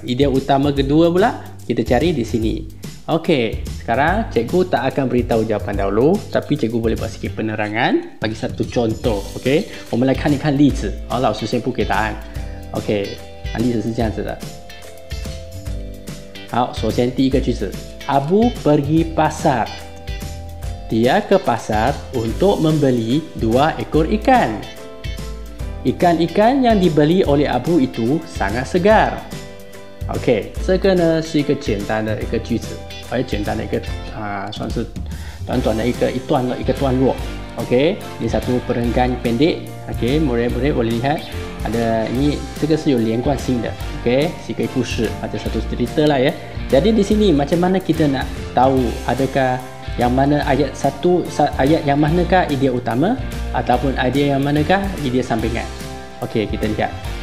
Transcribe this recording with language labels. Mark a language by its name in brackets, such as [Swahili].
[Malay] Idea utama kedua pula, kita cari di sini. Okey, sekarang cikgu tak akan beritahu jawapan dahulu, tapi cikgu boleh buat sikit penerangan, bagi satu contoh. [Chinese] Okey, 我们来看一看例子.Oh, 老师先不给答案.Okey, 例子是这样子的. 好, 首先第一个句子, [Malay] Abu pergi pasar. Dia ke pasar untuk membeli 2 ekor ikan. Ikan-ikan yang dibeli oleh Abu itu sangat segar. [Chinese] Okey, 这个呢是一个简单的一个句子, 而简单的一个算是短短的一个段落。 [Malay] Okey, 你satu perenggan pendek. Okey, murid-murid boleh lihat ada ini, [Chinese] 这个是有连贯性的, [Malay] okey, [Chinese] 是一个故事, [Malay] ada satu cerita lah ya. Jadi di sini macam mana kita nak tahu adakah yang mana ayat satu, ayat yang manakah idea utama ataupun idea yang manakah idea sampingan. Okey, kita lihat.